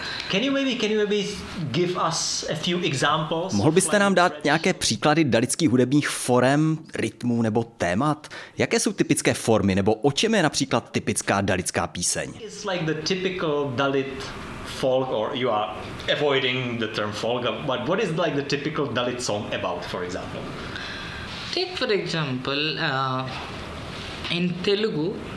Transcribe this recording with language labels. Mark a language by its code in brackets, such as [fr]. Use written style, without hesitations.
[en] Can you maybe give us a few examples? [cs] Mohl byste nám dát nějaké příklady dalitských hudebních forem, rytmů nebo témat? Jaké jsou typické formy nebo o čem je například typická dalitská píseň? [en] It's like the typical Dalit folk, or you are avoiding the term folk, but what is like the typical Dalit song about, for example? Take for example, in Telugu,